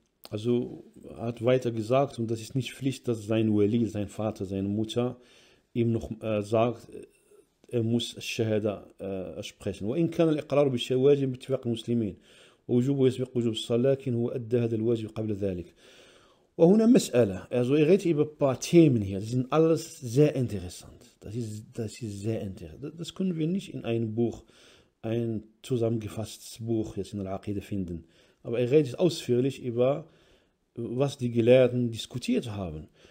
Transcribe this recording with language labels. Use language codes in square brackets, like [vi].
[de] Also er hat weiter gesagt, und das ist nicht Pflicht, dass sein Wali, sein Vater, seine Mutter ihm noch sagt, er muss Shahada sprechen. [ar] وإن كان الإقرار بالشواجب باتفاق المسلمين وجوبه يسبق وجوب الصلاة لكن هو أدى هذا الواجب قبل ذلك. وهنا مسألة. [de] Also ihr redet über ein paar Themen hier. Das sind alles sehr interessant. Das ist sehr interessant. Das können wir nicht in einem Buch, ein zusammengefasstes Buch jetzt in der Aqida finden. Aber ihr redet ausführlich über, was die Gelehrten diskutiert haben.